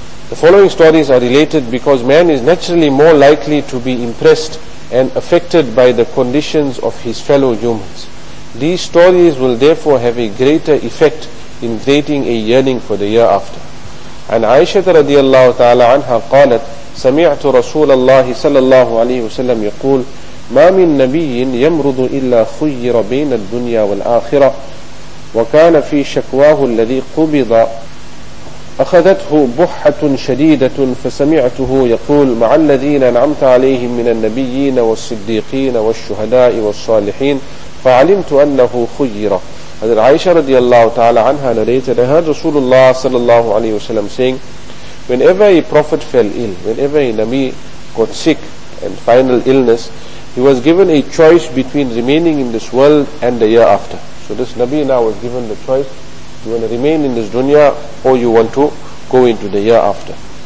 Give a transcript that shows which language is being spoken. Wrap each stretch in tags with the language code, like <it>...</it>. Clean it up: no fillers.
<en>The following stories are related because man is naturally more likely to be impressed and affected by the conditions of his fellow humans. These stories will therefore have a greater effect in creating a yearning for the year after. And Aisha radiallahu ta'ala anha qalat,</en> <ar>سَمِعْتُ رَسُولَ اللَّهِ صَلَى اللَّهُ عَلَيْهُ وَسَلَّمْ يَقُولُ مَا مِن نَبِيٍّ يَمْرُضُ إِلَّا خُيِّرَ بَيْنَ الدُّنْيَا وَالْآخِرَةِ وَكَانَ فِي شَكْوَاهُ الَّذِي قُبِضَ أخذته بحة شديدة فسمعته يقول مع الذين أنعمت عليهم من النبيين والصديقين والشهداء والصالحين فعلمت أنه خير. هذا عائشة رضي الله تعالى عنها</ar> <en>narrated, I heard Rasulullah</en> <ar>صلى الله عليه وسلم</ar> <en>saying, whenever a prophet fell ill, whenever a Nabi got sick and final illness, he was given a choice between remaining in this world and the year after. So this Nabi now was given the choice, you want to remain in this dunya or you want to go into the year after.</en>